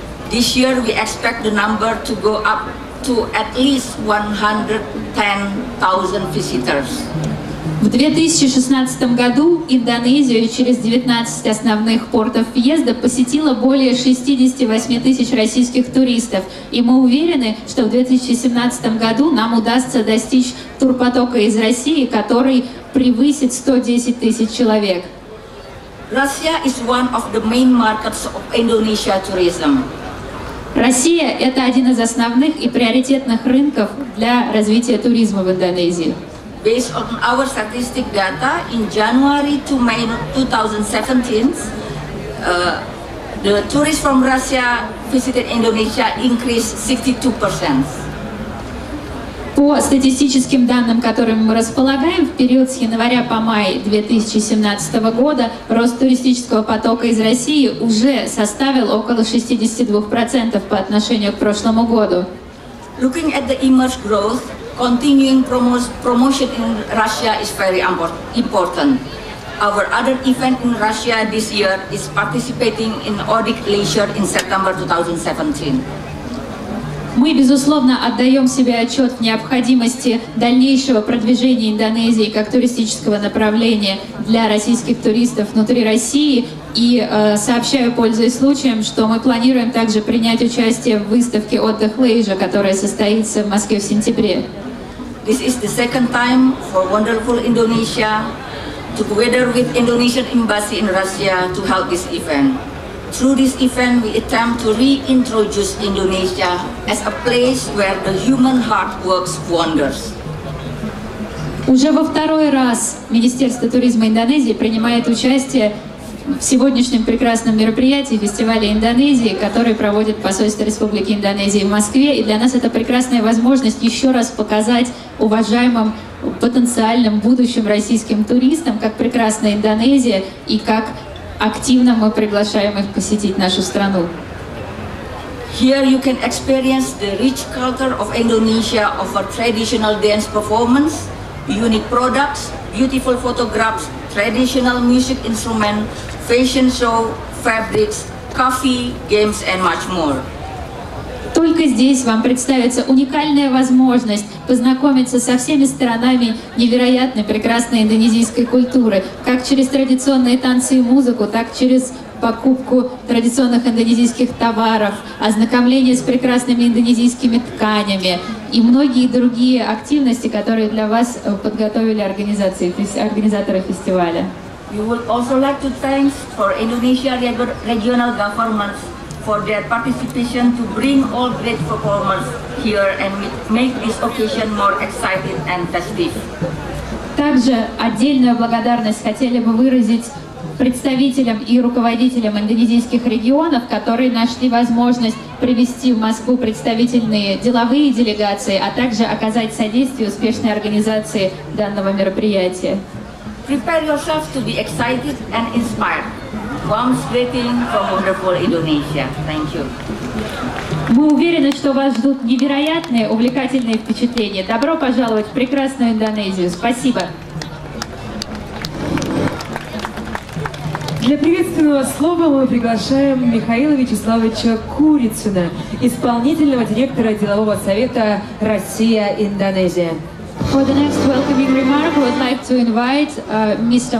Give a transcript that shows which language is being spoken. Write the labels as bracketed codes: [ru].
[en] This year we expect the number to go up to at least 110,000 visitors. [ru] В 2016 году Индонезию через 19 основных портов въезда посетило более 68 тысяч российских туристов. И мы уверены, что в 2017 году нам удастся достичь турпотока из России, который превысит 110 тысяч человек. [en] Russia is one of the main markets of Indonesia tourism. [ru] Россия – это один из основных и приоритетных рынков для развития туризма в Индонезии. [en] Based on our statistic data, in January to May 2017, the tourists from Russia visited Indonesia increased 62%. [ru] По статистическим данным, которыми мы располагаем, в период с января по май 2017 года рост туристического потока из России уже составил около 62% по отношению к прошлому году. [en] Looking at the immense growth, continuing promotion in Russia is very important. Our other event in Russia this year is participating in Odik Leisure in September 2017. [ru] Мы, безусловно, отдаем себе отчет в необходимости дальнейшего продвижения Индонезии как туристического направления для российских туристов внутри России. И сообщаю, пользуясь случаем, что мы планируем также принять участие в выставке «Отдых Лейжа», которая состоится в Москве в сентябре. [en] This is the second time for wonderful Indonesia, together with Indonesian Embassy in Russia, to help this event. Through this event, we attempt to reintroduce Indonesia as a place where the human heart works wonders. [ru] Уже во второй раз Министерство туризма Индонезии принимает участие в сегодняшнем прекрасном мероприятии фестиваля Индонезии, который проводит посольство Республики Индонезии в Москве. И для нас это прекрасная возможность еще раз показать уважаемым потенциальным будущим российским туристам, как прекрасна Индонезия и как активно мы приглашаем их посетить нашу страну. [en] Here you can experience the rich culture of Indonesia, of our traditional dance performance, unique products, beautiful photographs, traditional music instrument, fashion show, fabrics, coffee, games and much more. [ru] Только здесь вам представится уникальная возможность познакомиться со всеми сторонами невероятной прекрасной индонезийской культуры, как через традиционные танцы и музыку, так через покупку традиционных индонезийских товаров, ознакомление с прекрасными индонезийскими тканями и многие другие активности, которые для вас подготовили организации, то есть организаторы фестиваля. [en] We would also like to thank for Indonesia regional governments for their participation to bring all great performers here and make this occasion more exciting and festive. [ru] Также отдельную благодарность хотели бы выразить представителям и руководителям индонезийских регионов, которые нашли возможность привести в Москву представительные деловые делегации, а также оказать содействие успешной организации данного мероприятия. [en] Prepare yourself to be excited and inspired. Warm greeting from wonderful Indonesia. Thank you. [ru] Мы уверены, что вас ждут невероятные, увлекательные впечатления. Добро пожаловать в прекрасную Индонезию. Спасибо. Для приветственного слова мы приглашаем Михаила Вячеславовича Курицына, исполнительного директора делового совета «Россия-Индонезия». [en] For the next welcoming remark, we would like to invite Mr.